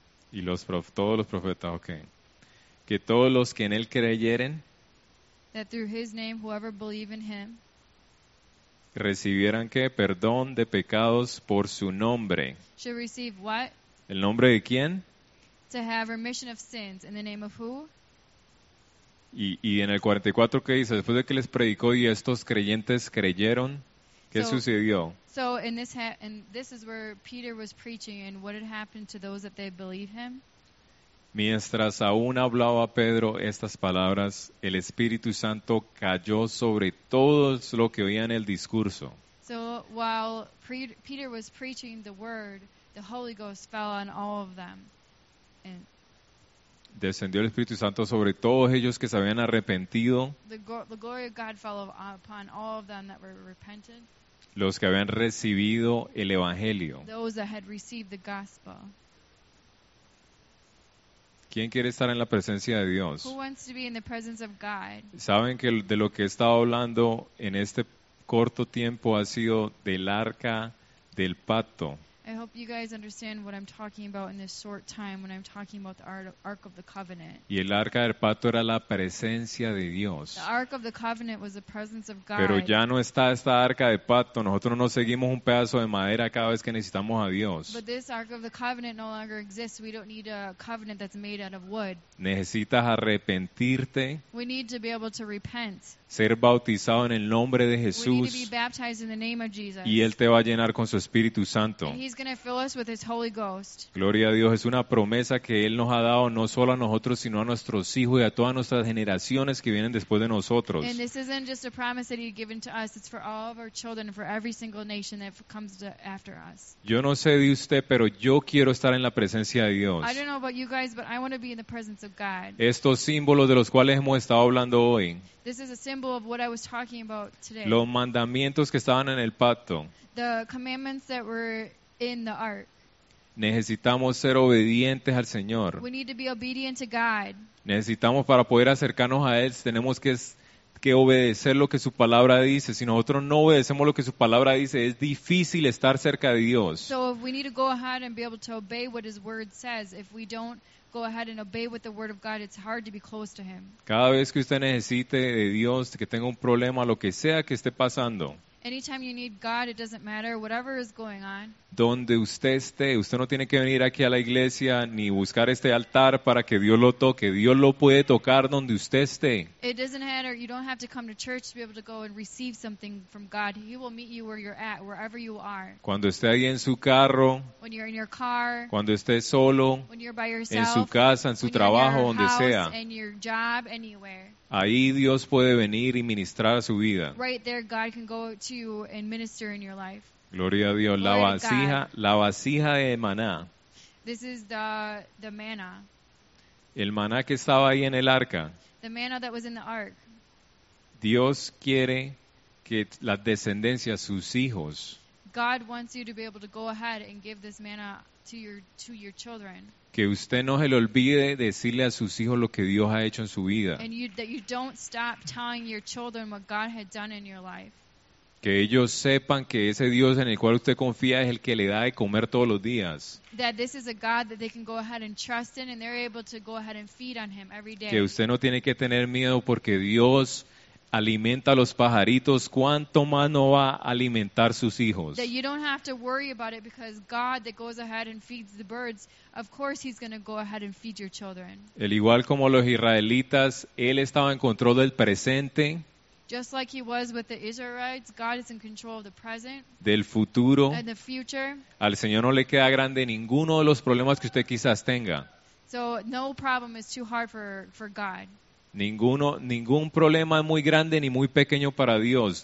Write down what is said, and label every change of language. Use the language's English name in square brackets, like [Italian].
[Spanish] Y todos los profetas, ok. Que todos los que en él creyeren, [English] that through his name, whoever believe in him, [Spanish] recibieran qué? Perdón de pecados por su nombre. [English] Should receive what? [Spanish] ¿El nombre de quién? [English] To have remission of sins in the name of who? [Spanish] Y en el 44, ¿qué dice? Después de que les predicó y estos creyentes creyeron, ¿qué sucedió? [English] So in this and this is where Peter was preaching, and what had happened to those that they believed him. [Spanish] Mientras aún hablaba Pedro estas palabras, el Espíritu Santo cayó sobre todos los que oían el discurso. [English] So while Peter was preaching the word, the Holy Ghost fell on all of them. And [Spanish] descendió el Espíritu Santo sobre todos ellos que se habían arrepentido. [English] The glory of God fell upon all of them that were repentant. [Spanish] Los que habían recibido el Evangelio. [English] Those that had received the gospel. [Spanish] ¿Quién quiere estar en la presencia de Dios? [English] Who wants to be in the presence of God? [Spanish] ¿Saben que de lo que he estado hablando en este corto tiempo ha sido del arca del pacto? [English] I hope you guys understand what I'm talking about in this short time when I'm talking about the Ark of the Covenant. [Spanish] Y el arca del pacto era la presencia de Dios. [English] The Ark of the Covenant was the presence of God. [Spanish] Pero ya no está esta arca del pacto. Nosotros no seguimos un pedazo de madera cada vez que necesitamos a Dios. [English] But this Ark of the Covenant no longer exists. We don't need a covenant that's made out of wood. [Spanish] Necesitas arrepentirte. [English] We need to be able to repent. [Spanish] Ser bautizado en el nombre de Jesús. [English] We need to be baptized in the name of Jesus. [Spanish] Y Él te va a llenar con su Espíritu Santo. [English] He's going to fill us with his Holy Ghost. [Spanish] Gloria a Dios, es una promesa que él nos ha dado no solo a nosotros sino a nuestros hijos y a todas nuestras generaciones que vienen después de nosotros. [English] And this isn't just a promise that he's given to us, it's for all of our children and for every single nation that comes after us. [Spanish] Yo no sé de usted, pero yo quiero estar en la presencia de Dios. [English] I don't know about you guys, but I want to be in the presence of God. [Spanish] Estos símbolos de los cuales hemos estado hablando hoy. [English] This is a symbol of what I was talking about today. [Spanish] Los mandamientos que estaban en el pacto. [English] The commandments that were in the ark. [Spanish] Necesitamos ser obedientes al Señor. [English] We need to be obedient to God. [Spanish] Necesitamos, para poder acercarnos a Él, tenemos que obedecer lo que su palabra dice. Si nosotros no obedecemos lo que su palabra dice, es difícil estar cerca de Dios. [English] So if we need to go ahead and be able to obey what His word says, if we don't go ahead and obey with the word of God, it's hard to be close to Him. [Spanish] Cada vez que usted necesite de Dios, que tenga un problema, lo que sea que esté pasando. [English] Anytime you need God, it doesn't matter whatever is going on. [Spanish] Donde usted esté, usted no tiene que venir aquí a la iglesia ni buscar este altar para que Dios lo toque. Dios lo puede tocar donde usted esté. [English] It doesn't matter. You don't have to come to church to be able to go and receive something from God. He will meet you where you're at, wherever you are. [Spanish] Cuando esté ahí en su carro. [English] When you're in your car. [Spanish] Cuando esté solo. [English] When you're by yourself. [Spanish] En su casa, en su trabajo, donde sea. [English] In your job, anywhere. [Spanish] Ahí Dios puede venir y ministrar a su vida. [English] Right there, God can go to you and minister in your life. [Spanish] Gloria a Dios. [English] Glory [Spanish] la vasija, [English] God. [Spanish] La vasija de maná. [English] This is the manna. [Spanish] El maná que estaba ahí en el arca. [English] The manna that was in the ark. [Spanish] Dios quiere que la descendencia, sus hijos. [English] God wants you to be able to go ahead and give this manna to your children. [Spanish] Que usted no se le olvide decirle a sus hijos lo que Dios ha hecho en su vida. [English] And you, that you don't stop telling your children what God had done in your life. [Spanish] Que ellos sepan que ese Dios en el cual usted confía es el que le da de comer todos los días. [English] That this is a God that they can go ahead and trust in, and they're able to go ahead and feed on Him every day. [Spanish] Que usted no tiene que tener miedo porque Dios alimenta a los pajaritos, ¿cuánto más no va a alimentar sus hijos? [English] That you don't have to worry about it because God that goes ahead and feeds the birds, of course He's going to go ahead and feed your children. [Spanish] El igual como los israelitas, Él estaba en control del presente. [English] Just like He was with the Israelites, God is in control of the present. [Spanish] Del futuro. [English] And the future. [Spanish] Al Señor no le queda grande ninguno de los problemas que usted quizás tenga. [English] So no problem is too hard for God. [Spanish] Ningún problema es muy grande ni muy pequeño para Dios.